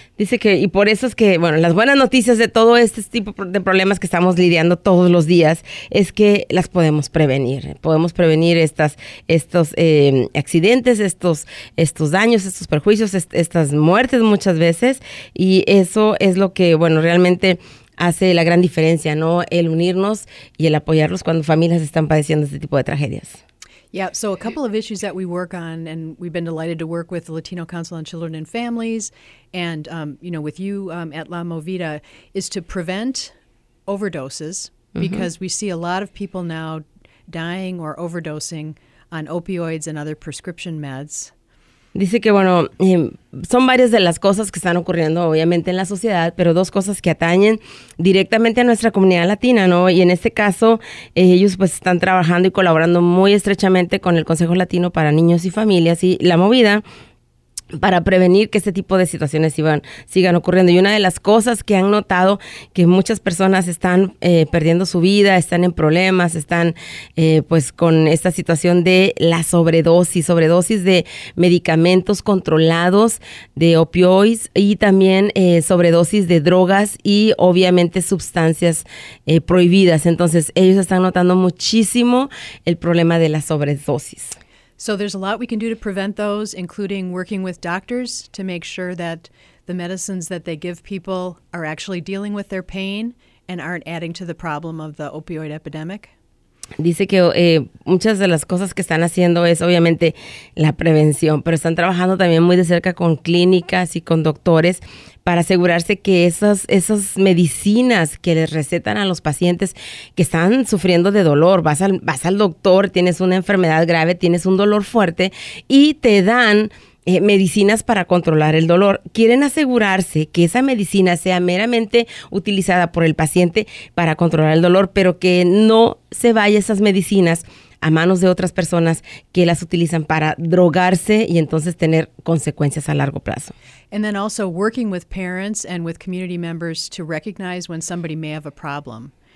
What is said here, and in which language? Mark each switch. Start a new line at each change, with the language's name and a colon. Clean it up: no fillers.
Spanish: Dice que, y por eso es que, bueno, las buenas noticias de todo este tipo de problemas que estamos lidiando todos los días es que las podemos prevenir. Podemos prevenir estos accidentes, estos daños, estos perjuicios, estas muertes muchas veces. Y eso es lo que, bueno, realmente hace la gran diferencia, ¿no? El unirnos y el apoyarlos cuando familias están padeciendo este tipo de tragedias.
English: Yeah, so a couple of issues that we work on, and we've been delighted to work with the Latino Council on Children and Families, and, you know, with you at La Movida, is to prevent overdoses, because mm-hmm. we see a lot of people now dying or overdosing on opioids and other prescription meds.
Spanish: Dice que, bueno, son varias de las cosas que están ocurriendo, obviamente, en la sociedad, pero dos cosas que atañen directamente a nuestra comunidad latina, ¿no? Y en este caso, ellos pues están trabajando y colaborando muy estrechamente con el Consejo Latino para Niños y Familias y La Movida para prevenir que este tipo de situaciones sigan ocurriendo. Y una de las cosas que han notado que muchas personas están perdiendo su vida, están en problemas, están pues con esta situación de la sobredosis de medicamentos controlados, de opioides y también sobredosis de drogas y obviamente sustancias prohibidas. Entonces ellos están notando muchísimo el problema de la sobredosis.
English: So there's a lot we can do to prevent those, including working with doctors to make sure that the medicines that they give people are actually dealing with their pain and aren't adding to the problem of the opioid epidemic.
Spanish: Dice que muchas de las cosas que están haciendo es obviamente la prevención, pero están trabajando también muy de cerca con clínicas y con doctores para asegurarse que esas medicinas que les recetan a los pacientes que están sufriendo de dolor, vas al doctor, tienes una enfermedad grave, tienes un dolor fuerte y te dan medicinas para controlar el dolor. Quieren asegurarse que esa medicina sea meramente utilizada por el paciente para controlar el dolor, pero que no se vaya esas medicinas a manos de otras personas que las utilizan para drogarse y entonces tener consecuencias a largo plazo.
English: And then also working with parents and with community members to recognize when somebody may have a problem.